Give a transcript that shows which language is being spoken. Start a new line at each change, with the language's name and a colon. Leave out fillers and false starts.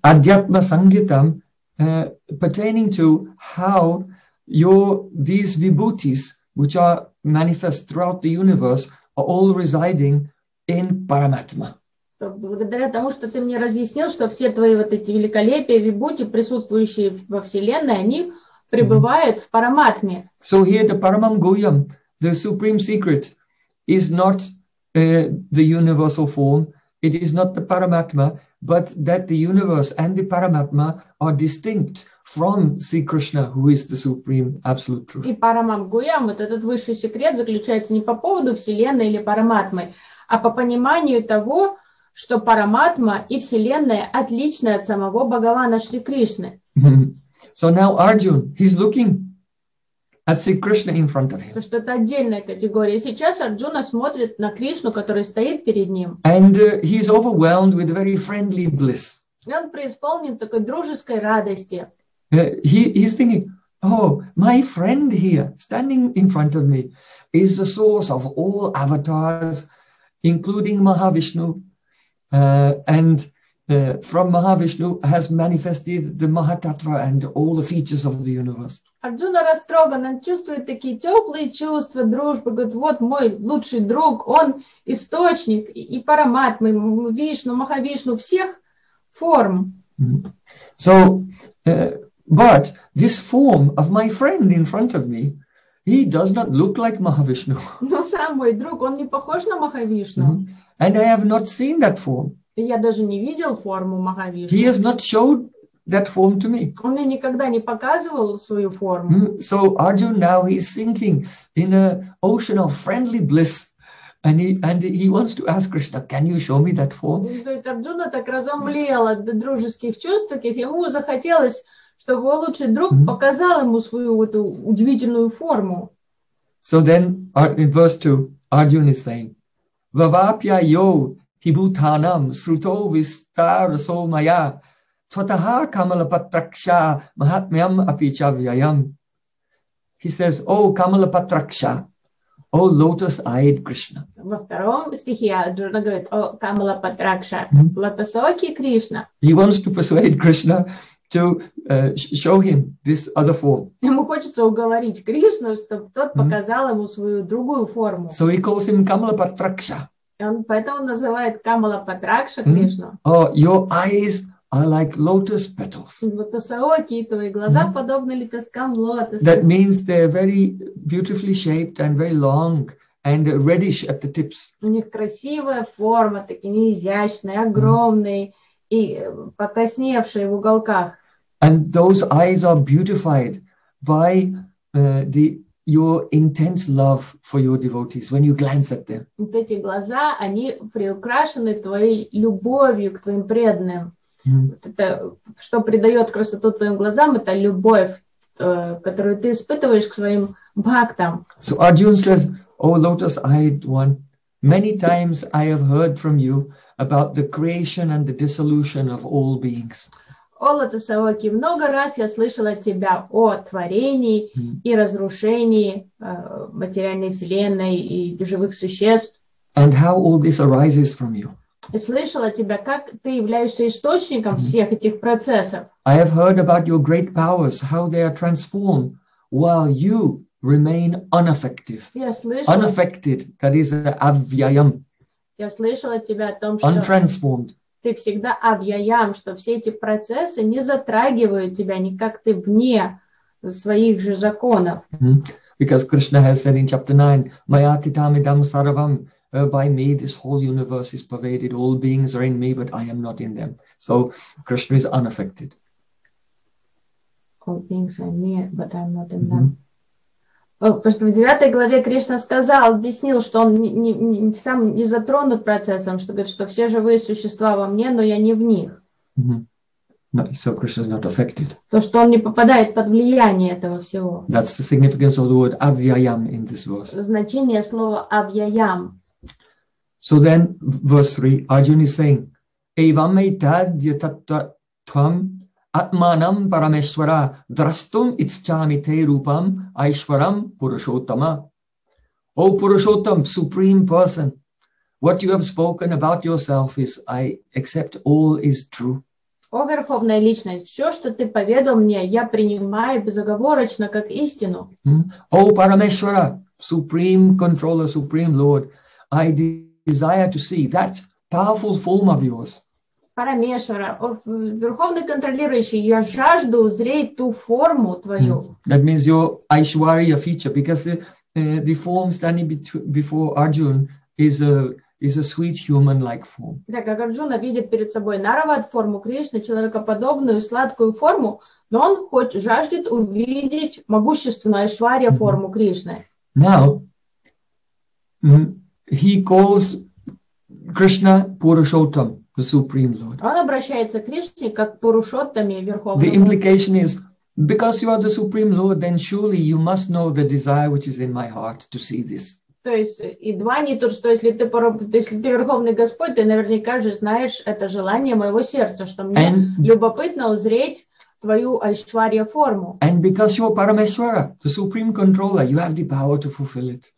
Sanskrit: Адьятма сангитам,
English: pertaining to how these vibhutis, which are manifest throughout the universe, are all residing in Параматма.
Russian: Благодаря тому, что ты мне разъяснил, что все твои вот эти великолепия, вибути, присутствующие во Вселенной, они пребывают в параматме.
English: So here the Парамам Гуйям, the supreme secret, is not the universal form, it is not the Параматма, but that the universe and the Параматма are distinct from Sri Krishna, who is the supreme absolute truth.
Russian: И Парамам Гуйям, вот этот высший секрет, заключается не по поводу Вселенной или Параматмы, а по пониманию того, что Параматма и Вселенная отличны от самого Бхагавана Шри Кришны.
English: So now Arjun, he's looking at Sri Krishna in front of him.
Russian: То, что это отдельная категория. Сейчас Арджуна смотрит на Кришну, который стоит перед ним.
English: And he's overwhelmed with very friendly bliss.
Russian: И он преисполнен такой дружеской радости.
English: He's thinking, oh, my friend here, standing in front of me, is the source of all avatars, including Mahavishnu. From Mahavishnu has manifested the Mahatattva and all the features of the universe.
Russian: Арджуна растроган, он чувствует такие теплые чувства, дружбы, говорит, вот мой лучший друг, он источник и параматмы, Вишну, Махавишну, всех форм.
English: So, but this form of my friend in front of me, he does not look like Mahavishnu.
Russian: Но сам мой друг, он не похож на Махавишну.
English: And I have not seen that form.
Russian: Я даже не видел форму Махавишну.
English: He has not showed that form to me.
Russian: Он мне никогда не показывал свою форму.
English: So Arjuna now he's sinking in an ocean of friendly bliss, and he wants to ask Krishna, can you show me that form?
Russian: То есть Арджуна так разомлел от дружеских чувств, и ему захотелось, чтобы его лучший друг показал ему свою эту удивительную форму.
English: So then, in verse 2, Arjuna is saying,
Sanskrit: Vavapya yo hibutanam sruto vistaraso maya tvataha kamalapatraksha mahatmyam apicha vyayam.
English: He says, O kamalapatraksha, O lotus-eyed Krishna.
Russian: Во втором стихе Арджуна говорит, О kamalapatraksha, лотосокий Кришна.
English: He wants to persuade Krishna to show him this other form.
Russian: Ему хочется уговорить Кришну, чтобы тот показал ему свою другую форму.
English: So he calls him kamalapatraksha.
Russian: Он поэтому называет Камала Патракша Кришну.
English: Your eyes are like lotus petals.
Russian: Лотосаоки, твои глаза подобны лепесткам лотоса.
English: That means they're very beautifully shaped and very long and reddish at the tips.
Russian: У них красивая форма, такие изящные, огромные и покрасневшие в уголках.
English: And those eyes are beautified by your intense love for your devotees when you glance at them.
Russian: Вот эти глаза, они приукрашены твоей любовью к твоим преданным. Вот это, что придает красоту твоим глазам, это любовь к которые ты испытываешь к своим бхактам.
English: So Arjuna says, O Lotus Eyed One, many times I have heard from you about the creation and the dissolution of all beings.
Russian: О, Лотосовоки, много раз я слышал от тебя о творении и разрушении материальной вселенной и живых существ.
English: And how all this arises from you.
Russian: И слышал от тебя, как ты являешься источником всех этих процессов.
English: I have heard about your great powers, how they are transformed while you remain unaffective.
Russian: Я слышал...
English: Unaffected, that is avyayam.
Russian: Я слышал от тебя о том, что...
English: Untransformed.
Russian: Ты всегда объявлял, что все эти процессы не затрагивают тебя, никак ты вне своих же законов.
English: Because Krishna has said in chapter 9,
Sanskrit: Mayatitamidam Saravam,
English: by me this whole universe is pervaded, all beings are in me, but I am not in them. So Krishna is unaffected. All beings are in me, but I am not in them.
Russian: Потому что в 9 главе Кришна сказал, объяснил, что он не сам не затронут процессом, что говорит, что все живые существа во мне, но я не в них.
English: So Krishna is not affected.
Russian: То, что он не попадает под влияние этого всего.
English: That's the significance of the word avyayam in this verse.
Russian: Значение слова avyayam.
English: So then, verse 3, Arjuna is saying,
Sanskrit: evam etad yatattvam Atmanam Parameshwara Drastum Itschamite Rupam Aishwaram Purushottama.
English: O Purushottam, Supreme Person, what you have spoken about yourself is I accept all is true.
Russian: О Верховная Личность, все, что ты поведал мне, я принимаю безоговорочно как истину.
English: О Парамешвара, Supreme Controller, Supreme Lord, I desire to see that powerful form of yours.
Russian: Парамешвара, Верховный Контролирующий, я жажду узреть ту форму твою.
English: That means your Aishwarya feature, because the form standing before Arjuna is a sweet human-like form.
Russian: Так, как Арджуна видит перед собой Нарават форму Кришны, человекоподобную сладкую форму, но он хоть жаждет увидеть могущественную Aishwarya форму Кришны.
English: Now, he calls Krishna Purushottam. The Supreme Lord.
Russian: Он обращается к Кришне как Пурушоттаме, Верховному.
English: The implication is, because you are the Supreme Lord, then surely you must know the desire which is in my heart to see this.
Russian: То есть и два не тут, что если ты Верховный Господь, ты наверняка же знаешь это желание моего сердца, что мне
English: and,
Russian: любопытно узреть твою Айшварья форму.
English: And because you are Парамешвара, the Supreme Controller, you have the power to fulfill it.